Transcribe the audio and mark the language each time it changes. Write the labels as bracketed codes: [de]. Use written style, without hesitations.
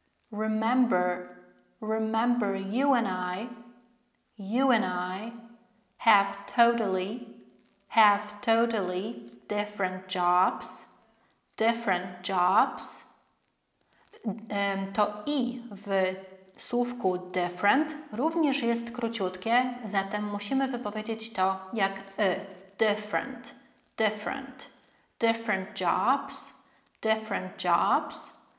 [en] Remember, remember you and I have totally different jobs, different jobs. [pl] To i w słówku different również jest króciutkie, zatem musimy wypowiedzieć to jak y. [en] Different, different, different jobs, different jobs.